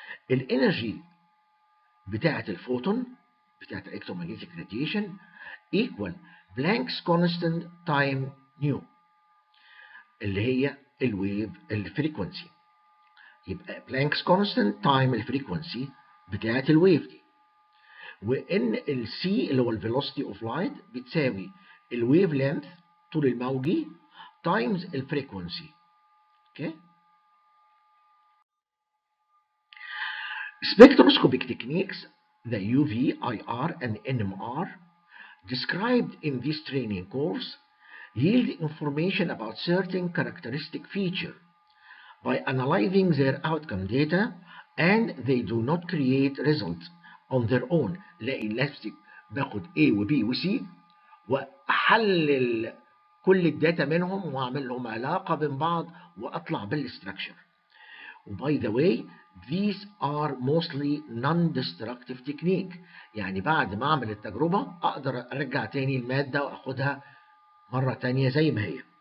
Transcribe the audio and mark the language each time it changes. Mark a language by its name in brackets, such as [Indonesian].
[Arabic] الانرجي بتاعة الفوتون بتاعة الإلكترومغنيتيك راديشن equal بلانكس كونستانت تايم نيو، اللي هي الويف الفريكونسي. يبقى بلانكس كونستانت تايم الفريكونسي بتاعة الويف دي، وإن ال c اللي هو الفيلوسيتي اوف لايت بتساوي الويف لينث طول الموجي تايمز الفريكونسي. [English] Okay, spectroscopic techniques, the UV, IR, and NMR described in this training course yield information about certain characteristic features by analyzing their outcome data, and they do not create results on their own. [Arabic] لقي نفسي باخد A و B و C وحلل كل الداتا منهم وعمل لهم علاقة بين بعض وأطلع بالستركشر. [English] By the way, these are mostly non-destructive techniques. [Arabic] يعني بعد ما أعمل التجربة أقدر أرجع تاني المادة وأخدها مرة تانية زي ما هي.